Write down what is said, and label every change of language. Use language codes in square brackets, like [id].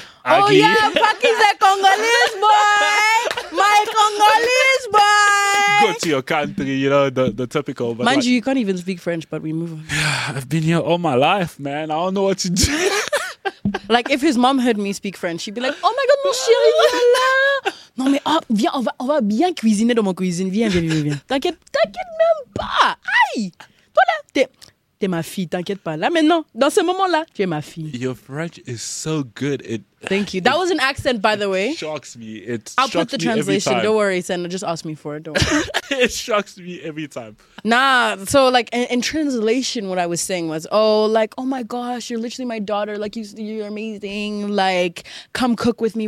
[en] Oh, yeah. Fuck is a Congolese boy. My Congolese boy. Go to your country, you know, the typical. But mind, like, you can't even speak French, but we move on. Yeah, I've been here all my life, man. I don't know what to do. Like, if his mom heard me speak French, she'd be like, oh my God, [fr] mon chéri, voilà. Non, mais oh, viens, on va bien cuisiner dans mon cuisine. Viens. T'inquiète même pas. Aïe. Voilà, t'es ma fille, t'inquiète pas. Là, maintenant, dans ce moment-là, tu es ma fille. [en] Your French is so good. Thank you. That was an accent, by the way. It shocks me. I'll put the translation. Don't worry, Sen. Just ask me for it. Don't worry. It shocks me every time. Nah, so, like, in translation, what I was saying was, oh my gosh, you're literally my daughter. Like, you're amazing. Like, come cook with me.